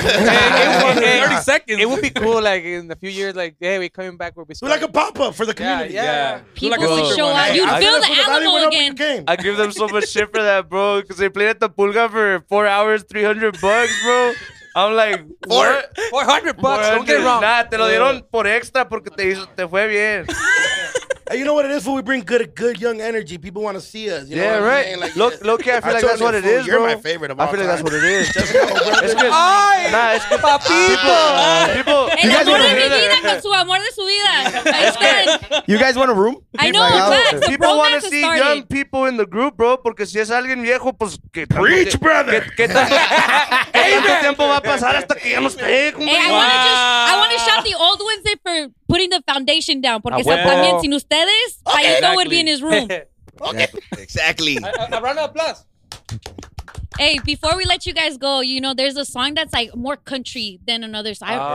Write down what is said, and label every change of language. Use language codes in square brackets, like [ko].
[en] Hey, 30 seconds. It would be cool, like, in a few years, like, hey, we're coming back. We're like a pop up for the community. Yeah. People like would show up. You'd feel the Alamo again. I give them so much shit for that, bro, because they played at the Pulga for 4 hours, $300, bro. I'm like, $400. Don't get it wrong. [es] Nah, te lo dieron por extra porque te fue bien. [en] And you know what it is? When we bring good young energy, people want to see us. You know right. Like, low-key, I feel like that's what it is, bro. You're my favorite of all I feel like time. That's what it is. Just go, bro. It's good. Nah, people. [es] El amor de mi vida con su amor de su vida. [en] You guys want a room? I know. Facts. People want to see young people in the group, bro, [es] porque si es alguien viejo, pues... [en] Preach, brother. [es] ¿Qué tanto tiempo va a pasar hasta que ya no esté? [en] I want to shout the old ones in for putting the foundation down. [es] Porque también sin ustedes, [en] okay, Payito would be in his room. Exactly. A round of applause. Hey, before we let you guys go, you know, there's a song that's like more country than another song.